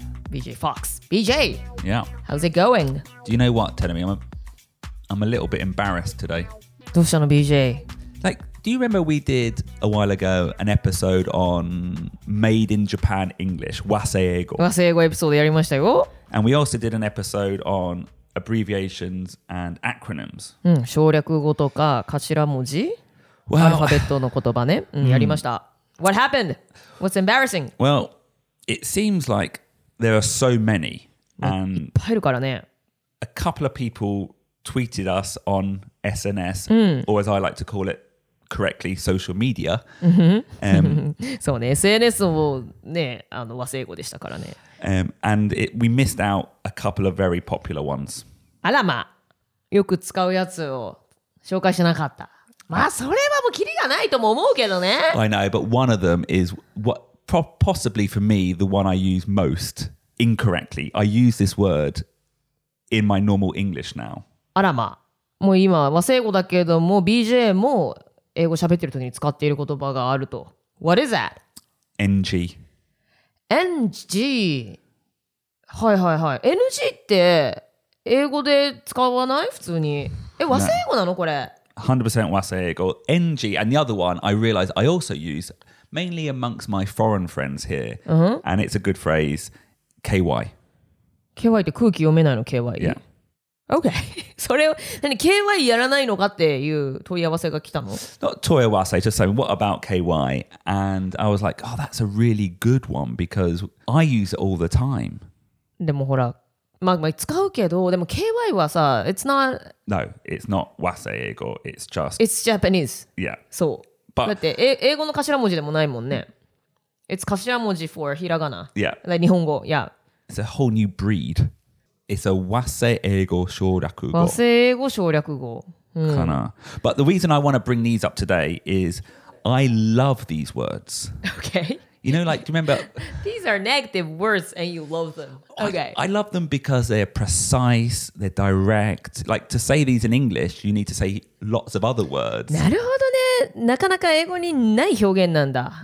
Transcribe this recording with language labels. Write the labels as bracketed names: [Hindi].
[English] BJ Fox. BJ. Yeah. How's it going? Do you know what, Telemi? I'm a little bit embarrassed today. [Japanese] どうしたの BJ? [English] Like, do you remember we did a while ago an episode on Made in Japan English, 和製英語? [Japanese] 和製英語エピソードやりましたよ。 [English] And we also did an episode on abbreviations and acronyms. [Japanese] うん、省略語とか頭文字? [English] Well, [Japanese] アルファベットの言葉ね。うん、やりました。 [English] What happened? What's embarrassing? Well, it seems like there are so many. [Japanese] And いっぱいいるからね。 [English] A couple of people tweeted us on SNS,、 [Japanese] うん、 [English] or as I like to call it correctly, social media. [Japanese] そうね、SNS もね、あの和製英語でしたからね。 [English] And it, we missed out a couple of very popular ones. [Japanese] あらま、よく使うやつを紹介しなかった。まあそれはもうキリがないとも思うけどね。 [English] I know, but one of them is what possibly for me the one I use most incorrectly. I use this word in my normal English now. [Japanese] あらま、もう今和製英語だけども BJ も英語喋ってる時に使っている言葉があると。 [English] What is that? NG. [Japanese] NG. はいはいはい。 NG って英語で使わない普通に。え、和製英語なのこれ。 [English] 100% 和製英語 NG and the other one I realize I also use mainly amongst my foreign friends here、 uh-huh. and it's a good phrase KY [Japanese] KY って空気読めないの KY [English] Yeah [Japanese] OK それを何 KY やらないのかっていう問い合わせが来たの [English] Not 問い合わせ just saying what about KY and I was like oh that's a really good one because I use it all the time [Japanese] でもほらまあ、まあ使うけど、でも KY はさ、 [English] it's not... No, it's not 和製英語、it's just... It's Japanese. Yeah. [Japanese] そう。But... だって英語の頭文字でもないもんね。 [English] It's 頭文字 for ひらがな。 Yeah. Like 日本語、yeah. It's a whole new breed. It's a 和製英語省略語。 [Japanese] 和製英語省略語。かな。 [English] But the reason I want to bring these up today is I love these words. Okay. You know, like, remember... These are negative words and you love them. Okay. I love them because they're precise, they're direct. Like, to say these in English, you need to say lots of other words. [Japanese] なるほどね。なかなか英語にない表現なんだ。